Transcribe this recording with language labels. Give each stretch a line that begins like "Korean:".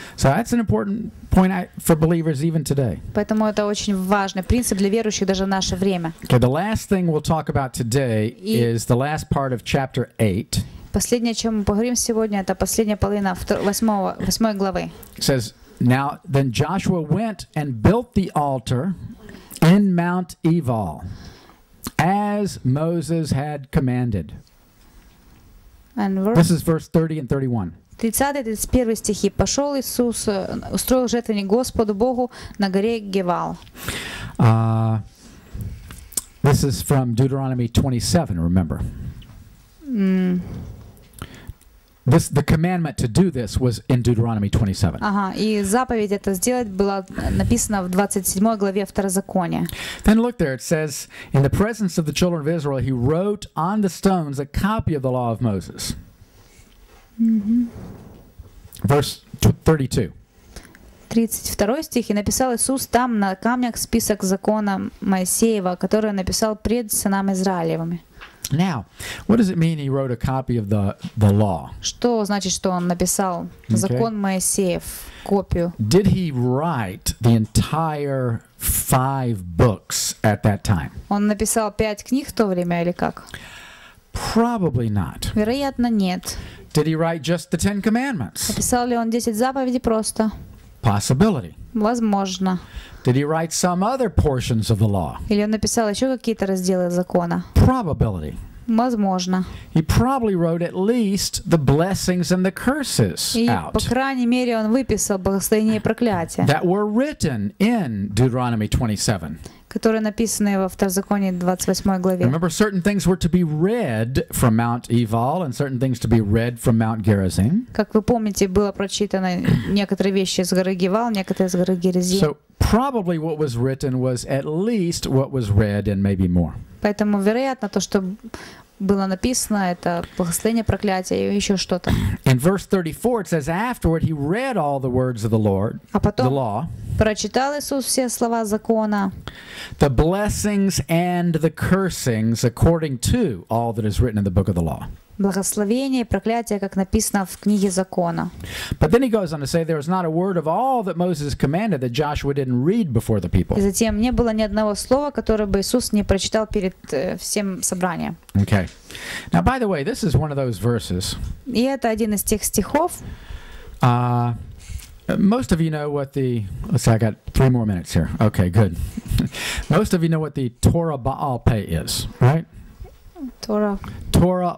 English: So that's an important point for believers even today.
Russian: Поэтому это очень важный принцип для верующих даже в наше время.
English: Okay, the last thing we'll talk about today is the last part of chapter 8.
Russian: Последнее, о чем мы поговорим сегодня, это последняя половина восьмой главы.
English: It says, now then Joshua went and built the altar in Mount Ebal, as Moses had commanded. And this is verse 30 and 31.
Russian: 30-31 стихи. Пошел Иисус, устроил жертвенник Господу Богу на горе Гевал.
English: This is from Deuteronomy 27, remember. This the commandment to do this was in Deuteronomy 27.
Russian: Ага, и заповедь это сделать была написана в 27 главе Второзакония.
English: Then look there, it says, in the presence of the children of Israel, he wrote on the stones a copy of the law of Moses. Verse 32.
Russian: 32 стих, и написал Иисус там на камнях список закона Моисеева, который написал пред сынами Израилевыми.
English: Now, what does it mean he wrote a copy of the law?
Russian: Что значит, что он написал закон Моисеев, копию?
English: Did he write the entire five books at that time?
Russian: Он написал пять книг в то время или как?
English: Probably not.
Russian: Вероятно, нет.
English: Did he write just the Ten Commandments?
Russian: Написал ли он 10 заповедей просто?
English: possibility.
Russian: Возможно.
English: Did he write some other portions of the law?
Russian: Или он написал еще какие-то разделы закона?
English: Probability.
Russian: Возможно.
English: He probably wrote at least the blessings and the curses out.
Russian: И по крайней мере он выписал благословения и проклятия.
English: That were written in Deuteronomy 27.
Russian: Которые написаны во Второзаконии 28 главе.
English: Remember, certain things were to be read from Mount Ebal and certain things to be read from Mount Gerizim.
Russian: Как вы помните, было прочитано некоторые вещи с горы Гевал, некоторые с горы Герезим.
English: So probably what was written was at least what was read and maybe more.
Russian: Поэтому вероятно то, что было написано, это благословение, проклятие и еще что-то.
English: In verse 34 it says afterward he read all the words of the Lord, the law.
Russian: Прочитал Иисус все слова закона.
English: The blessings and the cursings according to all that is written in the book of the law.
Russian: Благословение и проклятие, как написано в книге закона.
English: But then he goes on to say there is not a word of all that Moses commanded that Joshua didn't read before the people.
Russian: И затем не было ни одного слова, которое бы Иисус не прочитал перед всем собранием.
English: Okay. Now by the way, this is one of those verses.
Russian: И это один из тех стихов.
English: Most of you know what the... Let's see, I got three more minutes here. Okay, good. Most of you know what the Torah Baal Peh is, right? Torah